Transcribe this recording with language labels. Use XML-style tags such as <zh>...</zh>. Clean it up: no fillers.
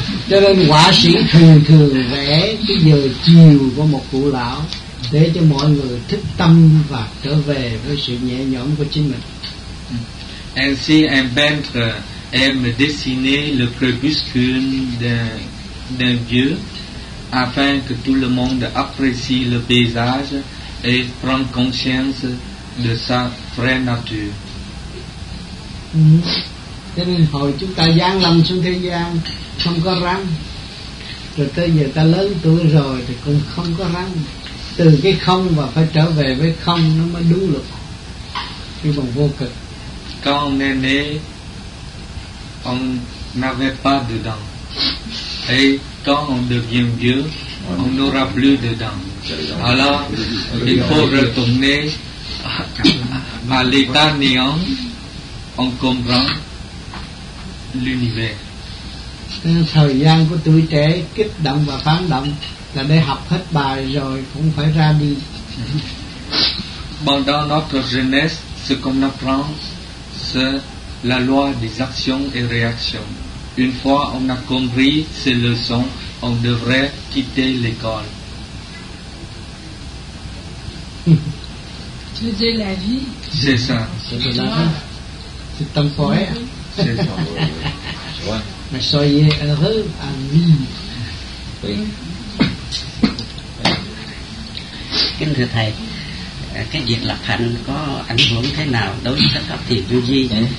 <vi>Cho nên họa sĩ thường thường vẽ cái giờ chiều của một cụ lão để cho mọi người thức tâm và trở về với sự nhẹ nhõm của chính mình.</vi> <fr>Ainsi, un peintre aime dessiner le crépuscule d'un vieux afin que tout le monde apprécie le paysage et prend conscience de sa vraie nature.</fr> <vi>Cho nên hồi chúng ta giáng lâm xuống thế gian không có răng, rồi tới giờ ta lớn tuổi rồi thì cũng không có răng. Từ cái không và phải trở về với không nó mới đúng luật, cái vòng vô cực.</vi> <fr>Quand on est né, on n'avait pas de dents. Et quand on devient vieux, on n'aura plus de dents. Alors, il faut retourner à l'état néant, on comprend l'univers.</fr> <vi>Thời gian của tuổi trẻ kích động và phản động là để học hết bài rồi cũng phải ra đi.</vi> <fr>Pendant notre jeunesse, ce qu'on apprend, c'est la loi des actions et réactions. Une fois on a compris ces leçons, on devrait quitter l'école. Tu veux dire la vie? C'est ça. C'est de l'argent. C'est temporaire. C'est ça. Mais soyez heureux à vivre. Oui.</fr> <vi>Kính thưa thầy, cái việc lập hạnh có ảnh hưởng thế nào đối với các pháp thiền tư duy?</vi>